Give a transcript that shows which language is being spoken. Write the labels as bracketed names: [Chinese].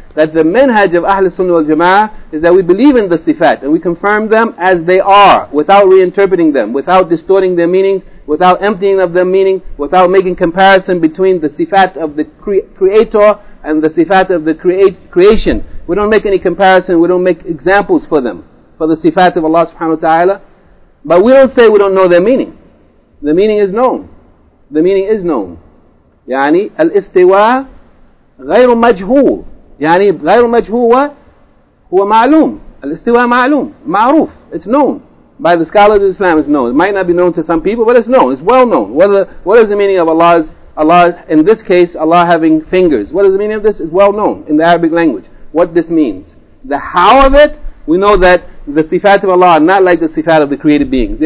[English] That the manhaj of Ahl Sunnah wal Jama'ah is that we believe in the sifat and we confirm them as they are, without reinterpreting them, without distorting their meanings, without emptying of their meaning, without making comparison between the sifat of the creator and the sifat of the creation. We don't make any comparison, we don't make examples for them, for the sifat of Allah subhanahu wa ta'ala. But we don't say we don't know their meaning. The meaning is known. The meaning is known. [Arabic] يعني الاستواء غير مجهول يعني غير مجهول هو معلوم الاستواء معلوم معروف. [English] It's known by the scholars of Islam. It's known. It might not be known to some people, but it's known. It's well known. What is the meaning of Allah in this case, Allah having fingers? What is the meaning of this? It's well known in the Arabic language what this means. The how of it, we know that the sifat of Allah are not like the sifat of the created beings.